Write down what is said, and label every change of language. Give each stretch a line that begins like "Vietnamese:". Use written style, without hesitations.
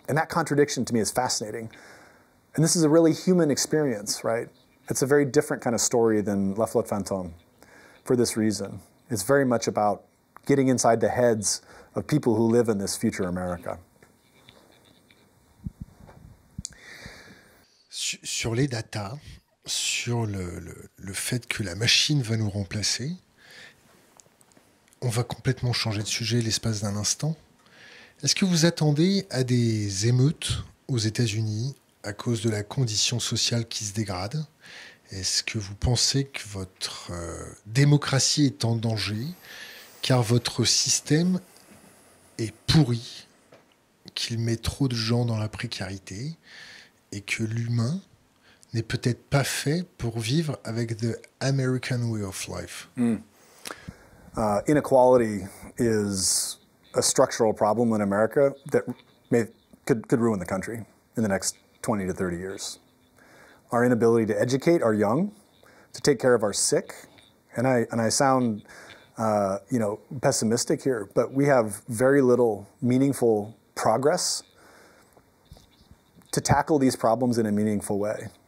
English: And that contradiction to me is fascinating. And this is a really human experience, right? It's a very different kind of story than La Flotte Fantôme for this reason. It's very much about getting inside the heads of people who live in this future America.
French: Sur les data, sur le fait que la machine va nous remplacer, on va complètement changer de sujet l'espace d'un instant. Est-ce que vous attendez à des émeutes aux États-Unis à cause de la condition sociale qui se dégrade? Est-ce que vous pensez que votre démocratie est en danger, car votre système est pourri, qu'il met trop de gens dans la précarité, et que l'humain n'est peut-être pas fait pour vivre avec
English: the American way of life? Inequality is a structural problem in America that could ruin the country in the next 20 to 30 years. Our inability to educate our young, to take care of our sick, and I sound pessimistic here, but we have very little meaningful progress to tackle these problems in a meaningful way.